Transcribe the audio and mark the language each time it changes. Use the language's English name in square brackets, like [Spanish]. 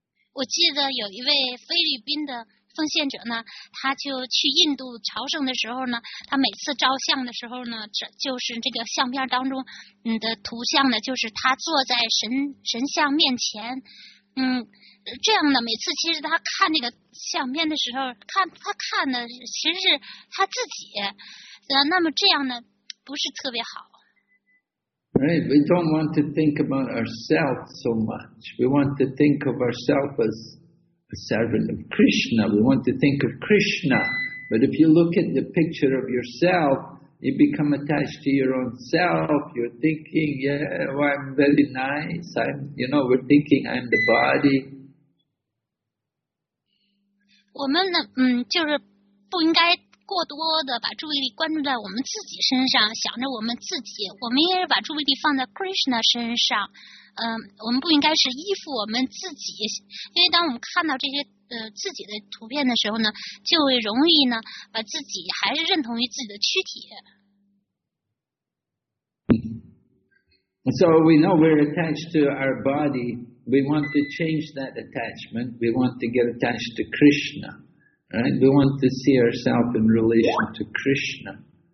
[Chinese] 我记得有一位菲律宾的奉献者呢，他就去印度朝圣的时候呢，他每次照相的时候呢，这就是这个相片当中的图像呢，就是他坐在神像面前，这样的每次其实他看那个相片的时候，他看的其实是他自己，那么这样呢不是特别好。 [English] Right, we don't want to think about ourselves so much. We want to think of ourselves as a servant of Krishna. We want to think of Krishna. But if you look at the picture of yourself, you become attached to your own self. You're thinking, yeah, well, I'm very nice. We're thinking I'm the body. [Chinese] 我们呢，就是不应该过多的把注意力关注在我们自己身上，想着我们自己，我们应该把注意力放在 Krishna 身上。我们不应该是依附我们自己，因为当我们看到这些自己的图片的时候呢，就会容易呢把自己还是认同于自己的躯体。 [English] So we know we're attached to our body. We want to change that attachment. We want to get attached to Krishna. Right? We want to see ourselves in relation to Krishna.